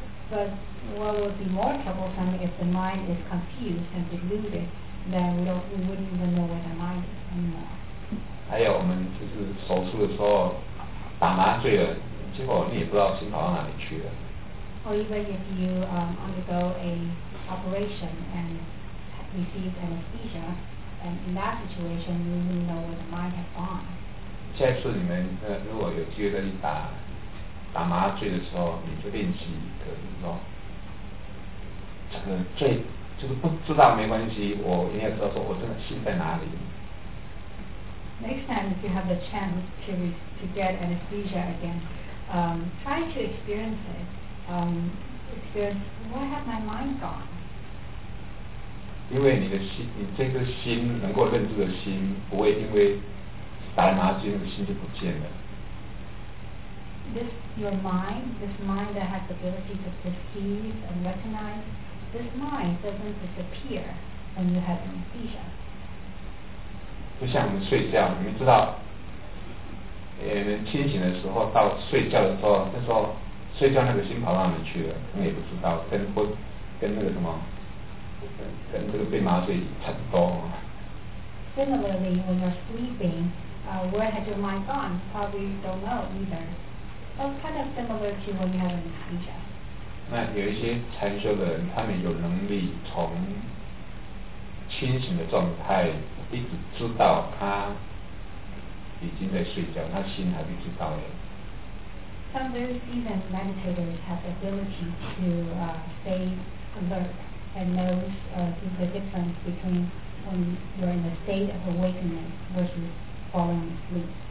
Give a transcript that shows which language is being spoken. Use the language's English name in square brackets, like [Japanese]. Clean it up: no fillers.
[English] But what would be more troublesome if the mind is confused and deluded, then we wouldn't even know where the mind is anymore. [Chinese] 还有我们就是手术的时候打麻醉了，结果你也不知道心跑到哪里去了。 [English] Or even if you undergo a operation and receive anesthesia, and in that situation you wouldn't know where the mind has gone. [Chinese] 下次你们如果有机会再去打麻醉的时候，你就练习一个，就是说，这个最就是不知道没关系，我一定要知道说我真的心在哪里。 [English] Next time if you have the chance to get anesthesia again, try to experience it. Experience where have my mind gone? [Chinese] 因为你的心，你这个心能够认知的心，不会因为打麻醉的心就不见了。 [English] This your mind, this mind that has the ability to perceive and recognize, this mind doesn't disappear when you have anesthesia. [Chinese] 就像我们睡觉，你们知道，清醒的时候到睡觉的时候，那时候睡觉那个心跑到哪里去了？你也不知道，跟那个什么，跟这个被麻醉差不多。 [English] Similarly, when you're sleeping, where has your mind gone? Probably don't know either. kind of similar to what you have in Egypt. [Chinese] 那有一些禅修的人，他们有能力从清醒的状态一直知道他已经在睡觉，他心还不知道耶。 [English] Some very seasoned meditators have the ability to stay alert and knows the difference between when you're in a state of awakening versus falling asleep.